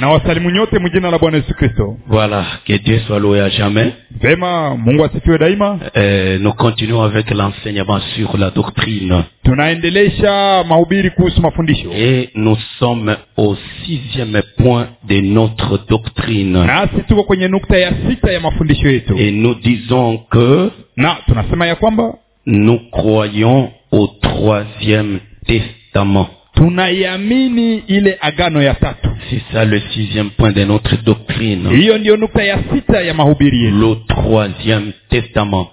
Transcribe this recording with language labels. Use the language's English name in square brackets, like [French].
[Swahili] Na wasalimu nyote mjina la Bwana Yesu Kristo. [French] Voilà, que Dieu soit loué à jamais. [Swahili] Vema, Mungu asifiwe daima. [French] Nous continuons avec l'enseignement sur la doctrine. [Swahili] Tunaendelesha mahubiri kuhusu mafundisho. [French] Et nous sommes au sixième point de notre doctrine. [Swahili] Nasi tuko kwenye nukta ya sita ya mafundisho yetu. [French] Et nous disons que... [Swahili] Na, tunasema ya kwamba... [French] Nous croyons au troisième testament. [Swahili] Tunayamini ile agano ya tatu. [French] C'est ça le sixième point de notre doctrine. [Swahili] Hiyo ndiyo nukta ya sita ya mahubiri. [French] Le troisième testament.